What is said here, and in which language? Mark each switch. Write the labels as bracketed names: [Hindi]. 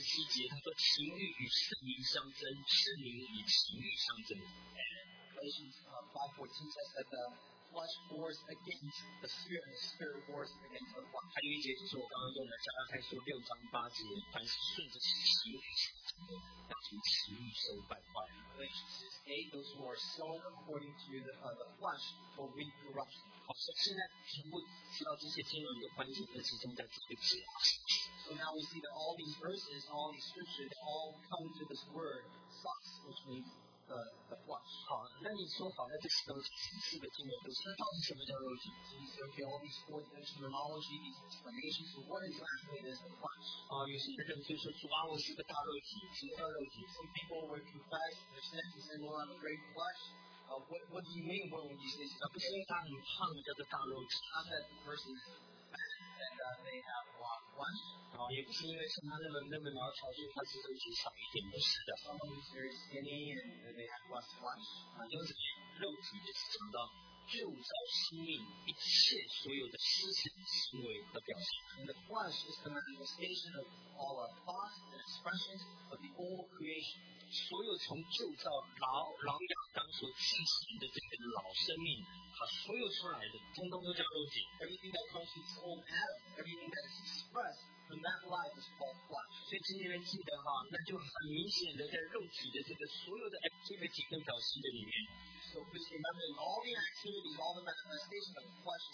[Chinese] 加拉太书5:17，他说情欲与圣灵相争，圣灵与情欲相争。 [English] Galatians 5:14 says that the flesh wars against the spirit, and the spirit wars against the flesh. [Chinese] 还有一节就是我刚刚用的加拉太书六章八节，凡是顺着血气的，那就是欲受败坏。 [English] Galatians 8, those who are sown according to the flesh will reap corruption. [Chinese] 好，所以现在全部提到这些经文的关键都集中在这个字。 [English] So now we see that all these verses, all these scriptures, all come to this word, sucks, which means the flesh. [Chinese] 好，那你说好，那这些都是四个经文，都是到底什么叫肉体？ [English] So okay, all these four terminology, these explanations, what exactly is the flesh? [Chinese] 有些人认为说主啊，我是个大肉体，什么叫肉体？ [English] Some people would confess, they're saying, they say, Lord, I'm a great flesh. What do you mean when you say this? [Chinese] 不是大很胖叫做大肉体。 [English] Not that the person is [Chinese] 哦，也不是因为像他那么苗条，就他肌肉就少一点，不是的。 [English] Someone is very skinny and they have less flesh. [Chinese] 啊，因为肉体就是讲到旧造生命一切所有的思想行为的表现。 [English] And the flesh is the manifestation of all our thoughts and expressions of the old creation. [Chinese] 所有从旧造老亚当所进行的这个老生命。所有出来的通通都叫肉体。 [English] Everything that comes from this old Adam, everything that is expressed from that life is called flesh. [Chinese] 所以今天记得哈，那就很明显的在肉体的这个所有的 activity 跟表现的里面。 [English] So please remember in all the activities, all the manifestation of flesh.